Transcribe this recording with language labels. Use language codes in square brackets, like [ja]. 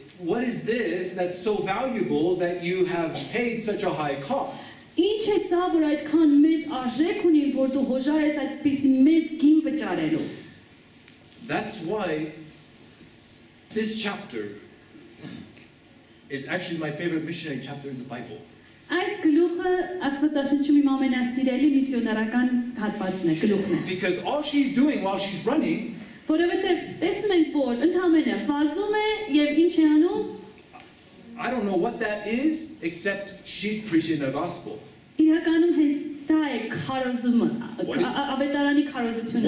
[en] What is this that's so valuable that you have paid such a high cost? [hy] Ինչ է սա, որ այդքան մեծ արժեք ունի, որ դու հոշար ես այդպիսի մեծ գին վճարելու։ [en] That's why this chapter is actually my favorite missionary chapter in the Bible. [hy] Այս գլուխը Աստվածաշնչում իմ ամենասիրելի միսիոնարական հատվածն է, գլուխն է։ [en] Because all she's doing while she's running, [hy] Որովհետև տեսնում ենք, որ ընդամենը վազում է եւ ինչ է անում։ [en] I don't know what that is except she's preaching the gospel. [hy] Իրականում հենց դա է քարոզումը, ավետարանի քարոզությունը։